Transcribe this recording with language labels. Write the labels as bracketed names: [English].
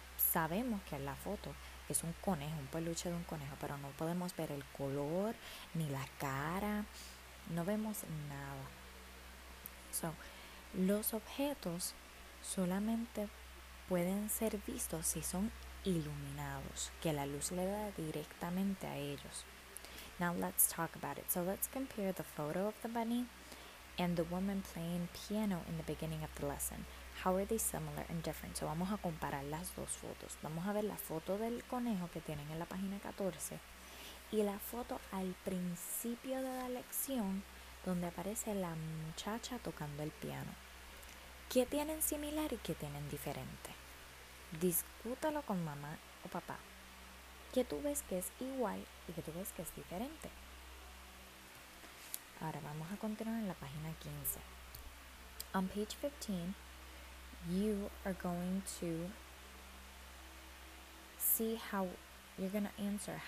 [Spanish] Sabemos que en la foto es un conejo, un peluche de un conejo, pero no podemos ver el color, ni la cara, no vemos nada. So, los objetos solamente pueden ser vistos si son iluminados, que la luz le da directamente a ellos. [English] Now let's talk about it. So let's compare the photo of the bunny and the woman playing piano in the beginning of the lesson. How are they similar and different? So [Spanish] vamos a comparar las dos fotos. Vamos a ver la foto del conejo que tienen en la página 14 y la foto al principio de la lección donde aparece la muchacha tocando el piano. ¿Qué tienen similar y qué tienen diferente? Discútalo con mamá o papá. ¿Qué tú ves que es igual y qué tú ves que es diferente? Ahora vamos a continuar en la página 15. [English] On page 15, you are going to see how you're going to answer.